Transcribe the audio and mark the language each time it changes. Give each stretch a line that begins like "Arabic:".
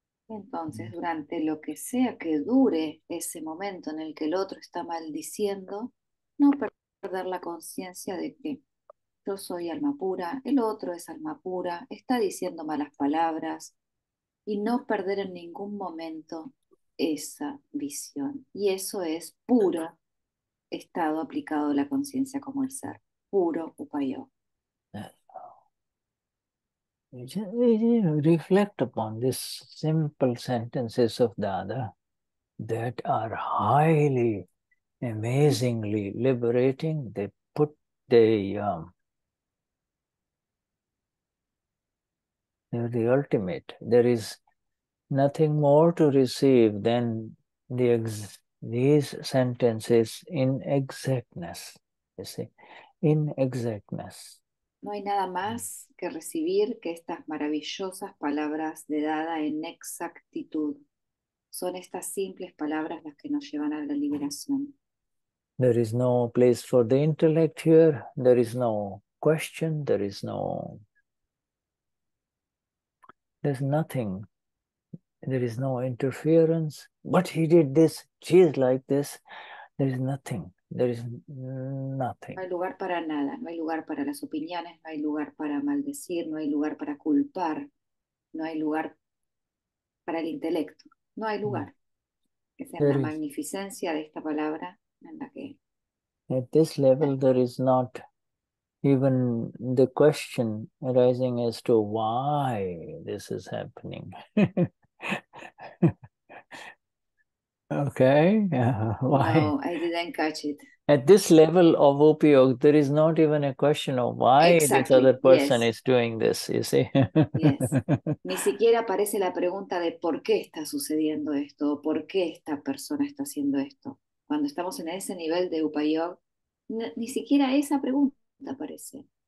Spanish: Entonces, durante lo que sea que dure ese momento en el que el otro está maldiciendo, no perder la conciencia de que yo soy alma pura, el otro es alma pura, está diciendo malas palabras, y no perder en ningún momento esa visión, y eso es puro estado aplicado de la conciencia como el ser, puro upayo.
English: Reflect upon these simple sentences of Dada that are highly, amazingly liberating. They put they're the ultimate. There is nothing more to receive than these sentences in exactness. You see, in exactness.
Spanish: No hay nada más que recibir que estas maravillosas palabras de Dada en exactitud. Son estas simples palabras las que nos llevan a la liberación.
English: There is no place for the intellect here. There is no question. There is no. There's nothing. There is no interference. But he did this. She is like this. There is nothing. There is nothing.
Spanish: No hay lugar para nada. No hay lugar para las opiniones. No hay lugar para maldecir. No hay lugar para culpar. No hay lugar para el intelecto. No hay lugar. Esa es la magnificencia de esta palabra en la que.
English: At this level, there is not even the question arising as to why this is happening. Okay, why? No, I didn't catch it. At this level of Upayoga, there is not even a question of why exactly. This other person yes. is doing this, you see. Yes.
Spanish: Ni siquiera aparece la pregunta de por qué está sucediendo esto, o por qué esta persona está haciendo esto. Cuando estamos en ese nivel de Upayoga, ni siquiera esa pregunta aparece.